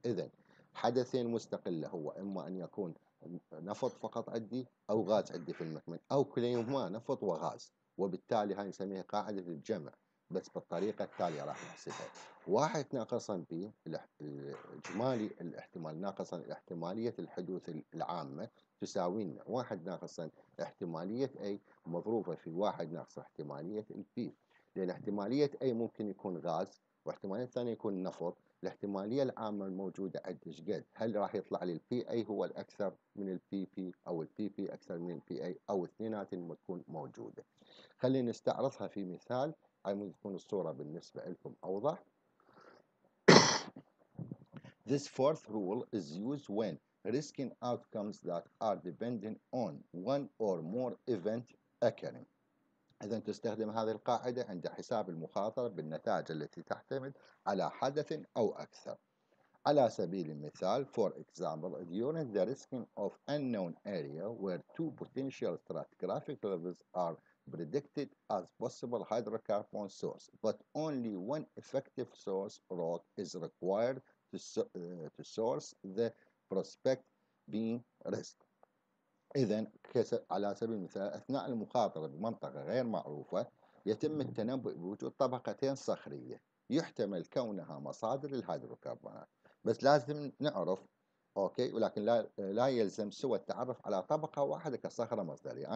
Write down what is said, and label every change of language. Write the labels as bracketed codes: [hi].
[ar] إذن حدثين مستقلة، هو إما أن يكون نفط فقط عندي أو غاز عندي في المكمن، أو كليهما نفط وغاز، وبالتالي هاي نسميها قاعدة الجمع، بس بالطريقة التالية راح نحسبها: واحد ناقصا ب الإجمالي الاحتمال ناقصا احتمالية الحدوث العامة تساوينا واحد ناقصا احتمالية A مضروبة في واحد ناقص احتمالية B، لأن احتمالية A ممكن يكون غاز واحتمالية الثانية يكون نفط. الاحتمالية العامة الموجودة عندي ايش قد؟ هل راح يطلع لي البي اي هو الاكثر من البي بي، او البي بي اكثر من البي اي، او اثنينات تكون موجودة؟ خلينا نستعرضها في مثال عشان تكون الصورة بالنسبة لكم اوضح. [en] This fourth rule is used when risking outcomes that are dependent on one or more event occurring. [ar] إذن تستخدم هذه القاعدة عند حساب المخاطر بالنتائج التي تعتمد على حدث أو أكثر. على سبيل المثال، [en] for example, during the risking of unknown area where two potential stratigraphic levels are predicted as possible hydrocarbon source, but only one effective source rock is required to source the prospect being risked. [ar] إذن على سبيل المثال، أثناء المخاطرة بمنطقة غير معروفة يتم التنبؤ بوجود طبقتين صخرية يحتمل كونها مصادر الهيدروكربونات، بس لازم نعرف أوكي، ولكن لا يلزم سوى التعرف على طبقة واحدة كصخرة مصدرية.